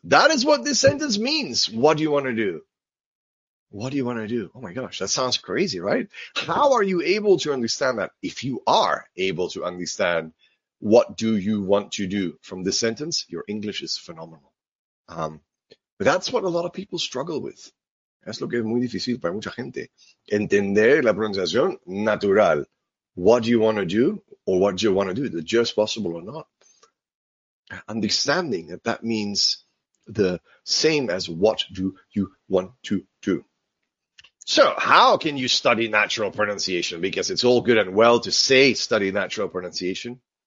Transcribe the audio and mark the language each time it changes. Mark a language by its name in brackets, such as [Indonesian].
[English] That is what this sentence means. What do you want to do? What do you want to do? Oh, my gosh, that sounds crazy, right? How are you able to understand that? If you are able to understand what do you want to do from this sentence, your English is phenomenal. But that's what a lot of people struggle with. [Spanish] Es lo que es muy difícil para mucha gente. Entender la pronunciación natural. [English] What do you want to do or what do you want to do? The just possible or not. Understanding that that means the same as what do you want to do. So how can you study natural pronunciation? Because it's all good and well to say study natural pronunciation.